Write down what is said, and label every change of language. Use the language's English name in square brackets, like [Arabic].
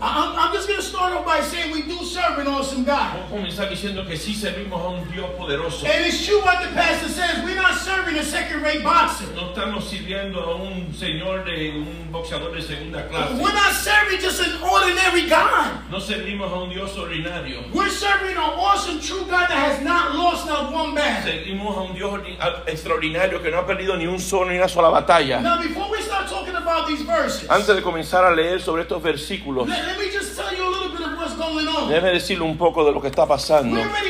[English] I'm just going to start off by saying we do serve an awesome God. [Spanish] Vamos a comenzar diciendo que sí servimos a un Dios poderoso. [English] And it's true what the pastor says. We're not serving a second-rate boxer. [Spanish] No estamos sirviendo a un señor de un boxeador de segunda clase. [English] We're not serving just an ordinary God. [Spanish] No servimos a un Dios ordinario. [English] We're serving an awesome, true God that has not lost not one battle. [Spanish] Servimos a un Dios extraordinario que no ha perdido ni un solo ni una sola batalla. [English] Now before we start talking about these. [Spanish] Antes de comenzar a leer sobre estos versículos, déjeme decirle un poco de lo que está pasando.